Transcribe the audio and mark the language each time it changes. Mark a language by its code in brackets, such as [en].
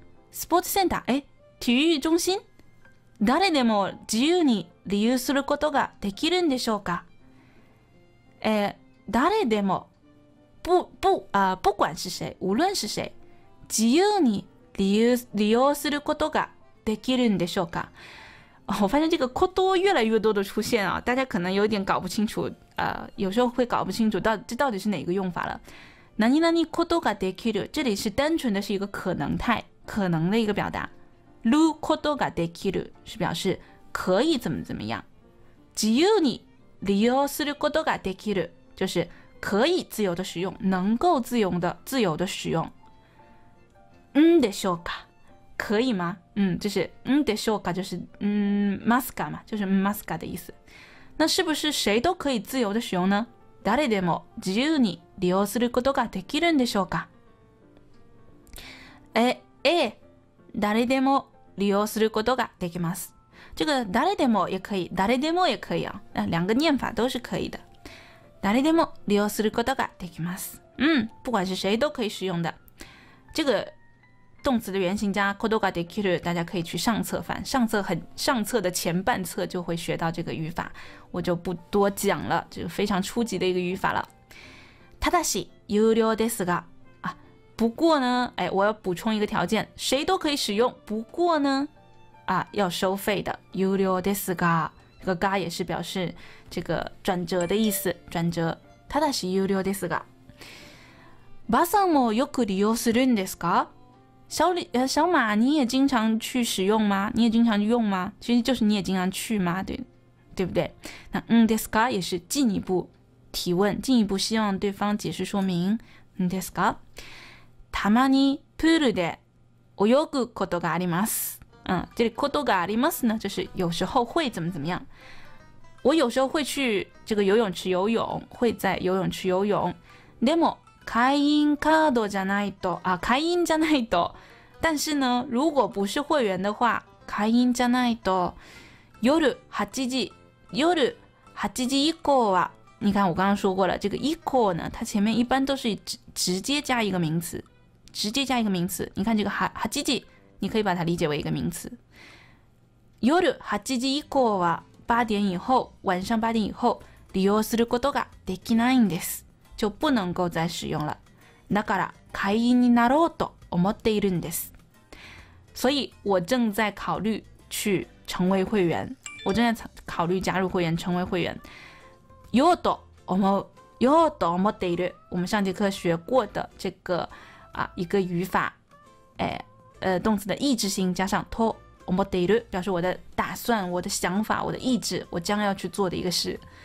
[ja] スポーツセンター、 [zh] 体育中心、 [ja] 誰でも自由に利用することができるんでしょうか。誰でも、 [zh] 不管是谁、无论是谁、 [ja] 自由に利用することができるんでしょうか。 [zh] 我发现这个こと越来越多的出现啊，大家可能有点搞不清楚，有时候会搞不清楚到底是哪个用法了。 [ja] 何々ことができる， [zh] 这里是单纯的是一个可能态，可能的一个表达。 [ja] ることができる [zh] 是表示可以怎么怎么样。 [ja] 自由に利用することができる [zh] 就是可以自由的使用，能够自由的使用。 [ja] でしょうか， [zh] 可以吗？就是でしょうか，就是ますか嘛，就是ますか的意思。那是不是谁都可以自由的使用呢？ [ja] 誰でも自由に利用することができるんでしょうか。誰でも利用することができます。 [zh] 这个誰でも也可以，誰でも也可以啊，两个念法都是可以的。 [ja] 誰でも利用することができます。 [zh] 不管是谁都可以使用的。这个动词的原形加ことができる，大家可以去上册翻，上册的前半册就会学到这个语法，我就不多讲了，就非常初级的一个语法了。 [ja] ただし有料ですが， [zh] 不过呢，我要补充一个条件，谁都可以使用，不过呢，要收费的。 [ja] 有料ですが， [zh] 这个が也是表示这个转折的意思，转折。 [ja] ただし有料ですが，バさんもよく利用するんですか？ [zh] 小马，你也经常去使用吗？你也经常用吗？其实就是你也经常去吗？对不对？那ですか也是进一步提问，进一步希望对方解释说明。 [ja] ですか？たまにプールで泳ぐことがあります。 [zh] 这里ことがあります呢，就是有时候会怎么怎么样。我有时候会去这个游泳池游泳，会在游泳池游泳。 [ja] でも会員カードじゃないと会員じゃないと， [zh] 但是呢，如果不是会员的话， [ja] 会員じゃないと夜8時以降は， [zh] 你看我刚刚说过了，这个以降呢，它前面一般都是 直接加一个名词，直接加一个名词。你看这个8時，你可以把它理解为一个名词。 [ja] 夜八時以降は [zh] 八点以后，晚上八点以后 [ja] 利用することができないんです。 [zh] 就不能够再使用了。 [ja] だから会員になろうと思っているんです。 [zh] 所以我正在考虑去成为会员。我正在考虑加入会员，成为会员。 [ja] ようと思う。ようと思っている。 [zh] 我们上节课学过的这个一个语法，动词的意志性加上と思っている，表示我的打算、我的想法、我的意志，我将要去做的一个事。